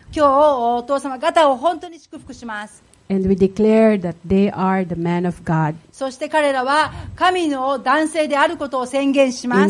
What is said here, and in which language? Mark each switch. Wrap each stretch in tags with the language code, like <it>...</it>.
<ja>今日お父様方を本当に祝福します。</ja> <en>And we declare that they are the man of God.</en> <ja>そして彼らは神の男性であることを宣言します。</ja>